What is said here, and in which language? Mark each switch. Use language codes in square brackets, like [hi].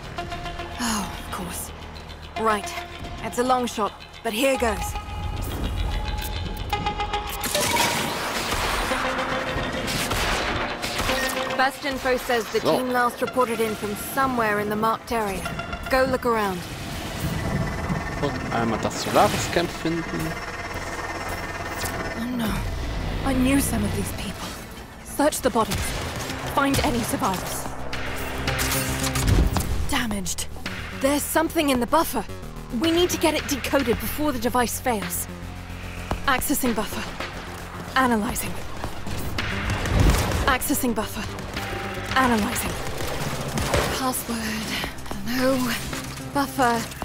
[en] Oh, of course. Right. It's a long shot, but here goes. Best info says the team last reported in from somewhere in the marked area. Go look around. [de] Und einmal das Solaris-Camp finden. [en] Oh no. I knew some of these people. Search the bodies. Find any survivors. Damaged. There's something in the buffer. We need to get it decoded before the device fails. Accessing buffer. Analyzing. Accessing buffer. Analyzing. Password. Hello. Buffer.